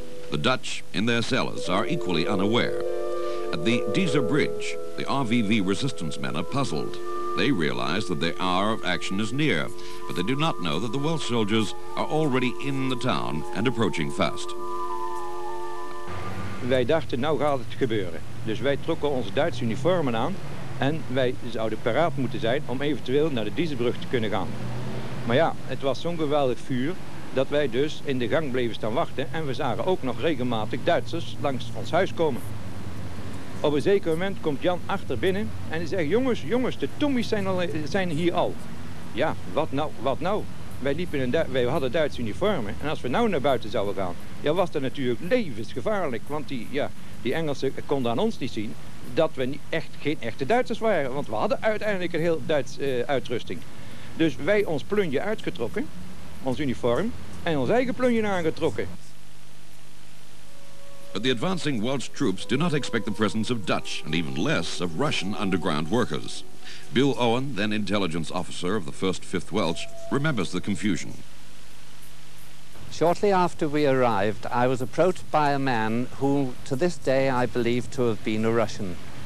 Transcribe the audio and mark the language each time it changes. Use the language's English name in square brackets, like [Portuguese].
[English] The Dutch, in their cellars, are equally unaware. At the Dieser Bridge, the RVV resistance men are puzzled. They realize that their hour of action is near, but they do not know that the Welsh soldiers are already in the town and approaching fast. [Dutch] wij dachten, nou gaat het gebeuren. Dus wij trokken onze Duitse uniformen aan en wij zouden paraat moeten zijn om eventueel naar de Diezenbrug te kunnen gaan. Maar ja, het was zo'n geweldig vuur dat wij dus in de gang bleven staan wachten en we zagen ook nog regelmatig Duitsers langs ons huis komen. Op een zeker moment komt Jan achter binnen en hij zegt, jongens, de Tommies zijn hier al. Ja, wat nou? Wij hadden Duitse uniformen en als we nou naar buiten zouden gaan, ja, was dat natuurlijk levensgevaarlijk, want die Engelsen konden aan ons niet zien dat we geen echte Duitsers waren, want we hadden uiteindelijk een heel Duits uitrusting. Dus wij ons plunje uitgetrokken, ons uniform, en ons eigen plunje aangetrokken. [English] But the advancing Welsh troops do not expect the presence of Dutch and even less of Russian underground workers. Bill Owen, then intelligence officer of the 1st 5th Welsh, remembers the confusion. Shortly after we arrived, I was approached by a man who to this day I believe to have been a Russian.